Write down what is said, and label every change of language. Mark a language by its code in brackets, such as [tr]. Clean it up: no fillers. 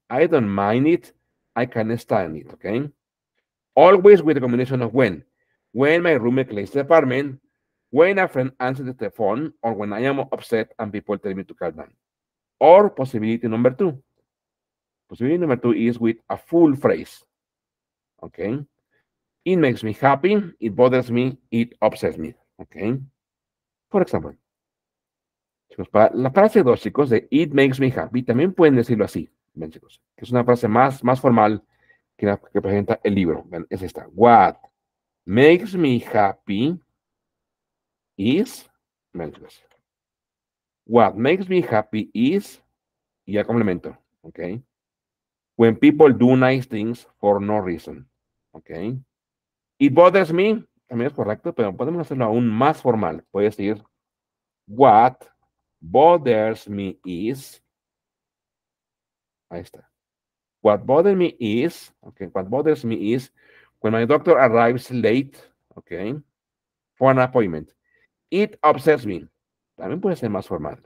[en] I don't mind it, I can stand it, okay? Always with a combination of when my roommate cleans the apartment, when a friend answers the phone, or when I am upset and people tell me to calm down. Or possibility number two. Possibility number two is with a full phrase, okay? It makes me happy, it bothers me, it upsets me, okay? [es] For example, chicos, para la frase dos, chicos, de [en] it makes me happy, [es] también pueden decirlo así, ven, chicos, que es una frase más formal que la que presenta el libro, ven, es esta. [en] What makes me happy is, [es] ven, chicos, [en] what makes me happy is, [es] y ya complemento, [en] okay? When people do nice things for no reason, okay? It bothers me, [es] también es correcto, pero podemos hacerlo aún más formal. Puedes decir, [en] what bothers me is, [es] ahí está. [en] What bothers me is, okay, what bothers me is, when my doctor arrives late, okay, for an appointment. It upsets me, [es] también puede ser más formal.